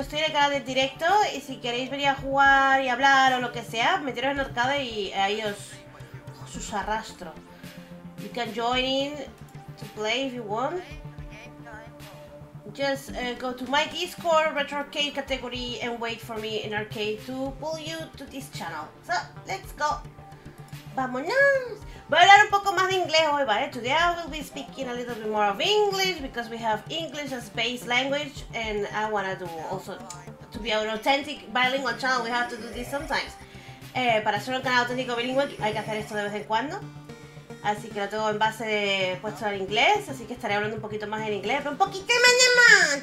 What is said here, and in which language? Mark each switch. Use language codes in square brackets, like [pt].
[es] Estoy en el canal de directo y si queréis venir a jugar y hablar o lo que sea, meteros en el arcade y ahí os arrastro. [en] You can join in to play if you want. Just go to my Discord Retro Arcade category and wait for me in arcade to pull you to this channel. So, let's go. [es] Vámonos. Voy a hablar un poco más de inglés hoy, ¿vale? [en] Today I will be speaking a little bit more of English because we have English as base language and I wanna do also to be an authentic bilingual channel. We have to do this sometimes. [es] Para ser un canal auténtico bilingüe hay que hacer esto de vez en cuando. Así que lo tengo en base de puesto en inglés, así que estaré hablando un poquito más en inglés, pero un poquito más de más.